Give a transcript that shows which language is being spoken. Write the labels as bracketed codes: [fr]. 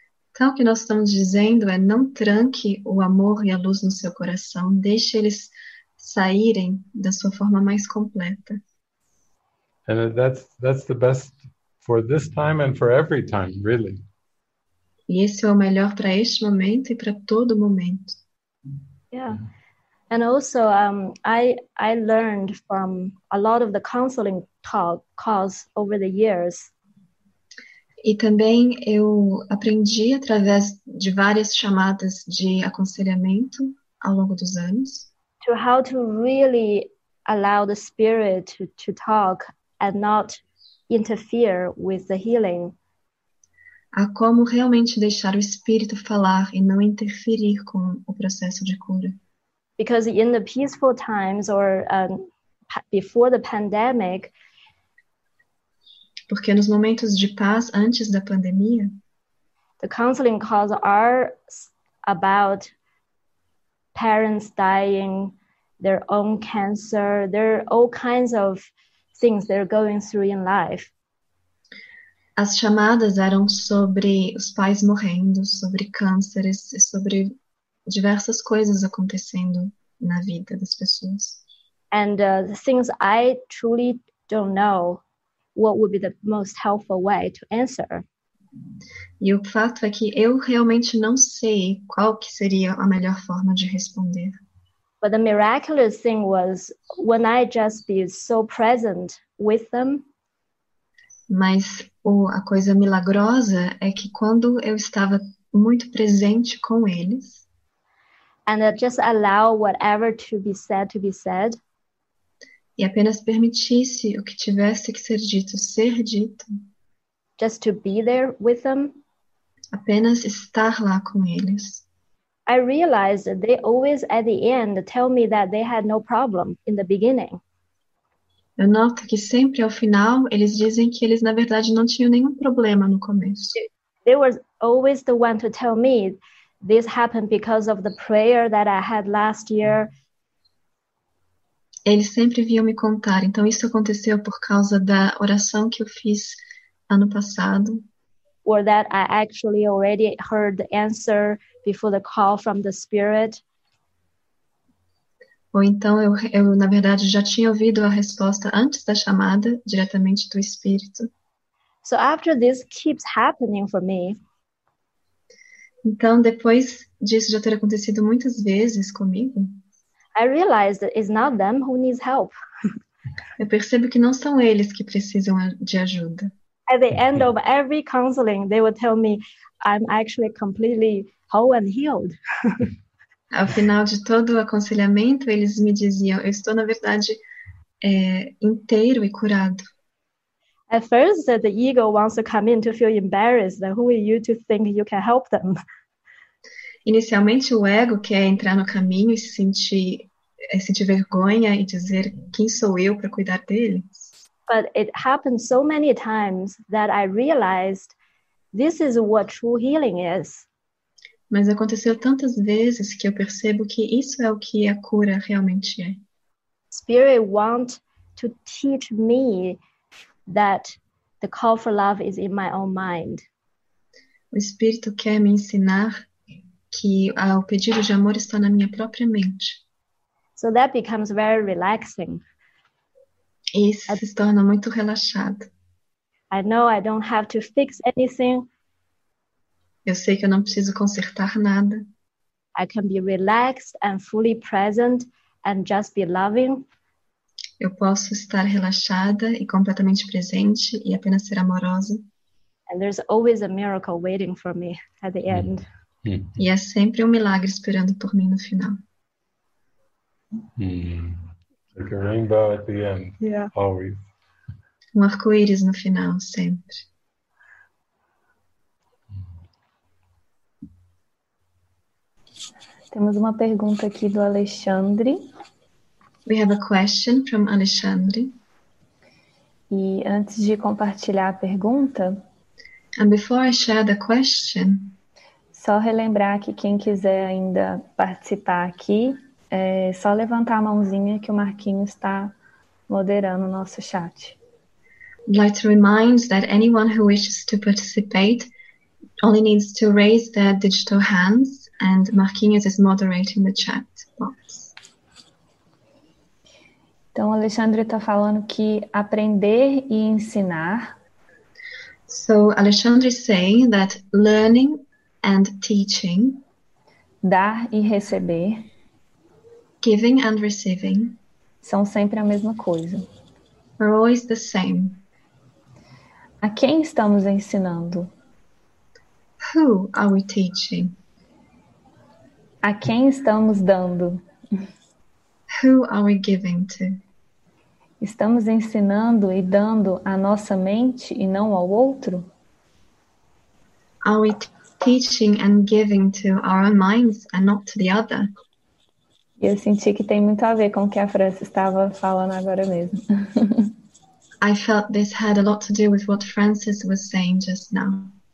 [pt] Então, o que nós estamos dizendo é não tranque o amor e a luz no seu coração. Deixe eles saírem da sua forma mais completa. [en] And that's the best for this time and for every time, really. [pt] E esse é o melhor para este momento e para todo momento. Yeah. [en] And also, I learned from a lot of the counseling calls over the years. [pt] E também eu aprendi através de várias chamadas de aconselhamento ao longo dos anos. [en] To how to really allow the spirit to talk and not interfere with the healing. [pt] A como realmente deixar o espírito falar e não interferir com o processo de cura. [en] Because in the peaceful times or before the pandemic, [pt] porque nos momentos de paz antes da pandemia, [en] the counseling calls are about parents dying, their own cancer, there are all kinds of things they're going through in life. [pt] As chamadas eram sobre os pais morrendo, sobre cânceres e sobre diversas coisas acontecendo na vida das pessoas. [en] And the things I truly don't know. what would be the most helpful way to answer. [pt] E o fato é que eu realmente não sei qual que seria a melhor forma de responder. [en] But the miraculous thing was when I just be so present with them. [pt] Mas a coisa milagrosa é que quando eu estava muito presente com eles, [en] and I just allow whatever to be said, [pt] e apenas permitisse o que tivesse que ser dito, [en] just to be there with them, [pt] apenas estar lá com eles, [en] I realized that they always at the end tell me that they had no problem in the beginning. [pt] Eu noto que sempre ao final eles dizem que eles na verdade não tinham nenhum problema no começo. [en] They were always the one to tell me this happened because of the prayer that I had last year. [pt] Eles sempre vinham me contar, então isso aconteceu por causa da oração que eu fiz ano passado. [en] Or that I actually already heard the answer before the call from the Spirit. [pt] Ou então eu na verdade já tinha ouvido a resposta antes da chamada diretamente do Espírito. [en] So after this keeps happening for me. [pt] Então depois disso já ter acontecido muitas vezes comigo. [en] I realized that it's not them who needs help. [pt] Eu percebo que não são eles que precisam de ajuda. [en] At the end of every counseling, they would tell me, I'm actually completely whole and healed. [pt] Ao final de todo o aconselhamento, eles me diziam, eu estou, na verdade, inteiro e curado. [en] At first, the ego wants to come in to feel embarrassed. Who are you to think you can help them? [pt] Inicialmente, o ego quer entrar no caminho e sentir vergonha e dizer, quem sou eu para cuidar deles? [en] But it happened so many times that I realized this is what true healing is. [pt] Mas aconteceu tantas vezes que eu percebo que isso é o que a cura realmente é. [en] Spirit wants to teach me that the call for love is in my own mind. [pt] O Espírito quer me ensinar que o pedido de amor está na minha própria mente. [en] So that becomes very relaxing. [pt] Isso se torna muito relaxado. [en] I know I don't have to fix anything. [pt] Eu sei que eu não preciso consertar nada. [en] I can be relaxed and fully present and just be loving. [pt] Eu posso estar relaxada e completamente presente e apenas ser amorosa. [en] And there's always a miracle waiting for me at the end. [pt] E é sempre um milagre esperando por mim no final. [en] Like a rainbow at the end, yeah. Always. [pt] Um arco-íris no final, sempre. Temos uma pergunta aqui do Alexandre. [en] We have a question from Alexandre. [pt] E antes de compartilhar a pergunta, [en] and before I share the question, [pt] só relembrar que quem quiser ainda participar aqui, é só levantar a mãozinha que o Marquinhos está moderando o nosso chat. [en] I'd like to remind that anyone who wishes to participate only needs to raise their digital hands and Marquinhos is moderating the chat box. [pt] Então, o Alexandre está falando que aprender e ensinar. [en] So, Alexandre is saying that learning and teaching, [pt] dar e receber, [en] giving and receiving, [pt] são sempre a mesma coisa. [en] Are always the same. [pt] A quem estamos ensinando? [en] Who are we teaching? [pt] A quem estamos dando? [en] Who are we giving to? [pt] Estamos ensinando e dando a nossa mente e não ao outro? [en] Are we teaching and giving to our own minds and not to the other? [pt] E eu senti que tem muito a ver com o que a França estava falando agora mesmo. [en] I felt this had a lot to do with what Francis was saying just now.